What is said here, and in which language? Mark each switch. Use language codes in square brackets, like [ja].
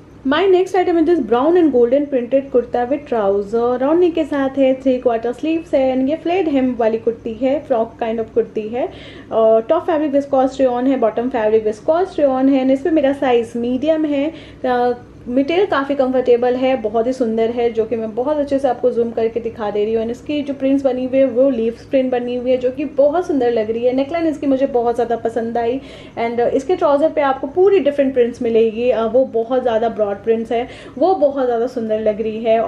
[en] My next item is this brown and golden printed kurta with trouser. [hi] Round neck के साथ है, 3/4 sleeves है and ये flared hem वाली कुर्ती है, frock kind of कुर्ती है. Top fabric viscose rayon है, bottom fabric viscose rayon है and इसमें मेरा size medium है. मटेरियल काफ़ी कंफर्टेबल है, बहुत ही सुंदर है, जो कि मैं बहुत अच्छे से आपको जूम करके दिखा दे रही हूँ. इसकी जो प्रिंट्स बनी हुई है वो लीफ्स प्रिंट बनी हुई है, जो कि बहुत सुंदर लग रही है. नेकलाइन इसकी मुझे बहुत ज़्यादा पसंद आई एंड इसके ट्राउज़र पे आपको पूरी डिफरेंट प्रिंट्स मिलेगी. वो बहुत ज़्यादा ब्रॉड प्रिंट्स है, वो बहुत ज़्यादा सुंदर लग रही है.